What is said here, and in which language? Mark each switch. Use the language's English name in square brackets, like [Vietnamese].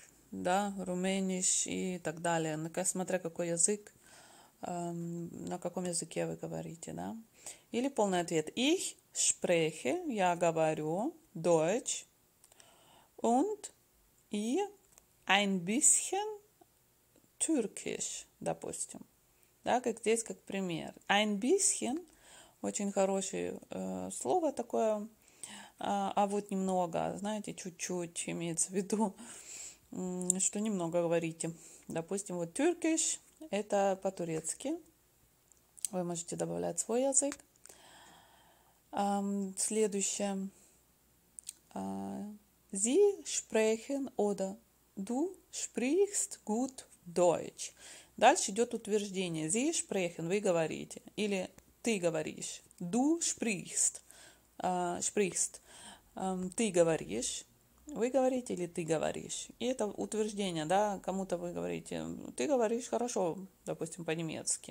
[Russian] Да, румынский и так далее, смотря какой язык, на каком языке вы говорите, да. Или полный ответ. [German] Ich spreche, [Russian] я говорю, [German] Deutsch, und, и ein bisschen Türkisch, допустим. [Russian] Да, как здесь, как пример. [German] Ein bisschen, [Russian] очень хорошее слово такое, а вот немного, знаете, чуть-чуть, имеется в виду, что немного говорите. Допустим, вот Turkish, это по-турецки. Вы можете добавлять свой язык. Следующее. [German] Sie sprechen oder du sprichst gut Deutsch. [Russian] Дальше идет утверждение. [German] Sie sprechen, [Russian] вы говорите. Или ты говоришь. [German] Du sprichst. Sprichst. [Russian] Ты говоришь, вы говорите или ты говоришь. И это утверждение, да, кому-то вы говорите, ты говоришь хорошо, допустим, по-немецки.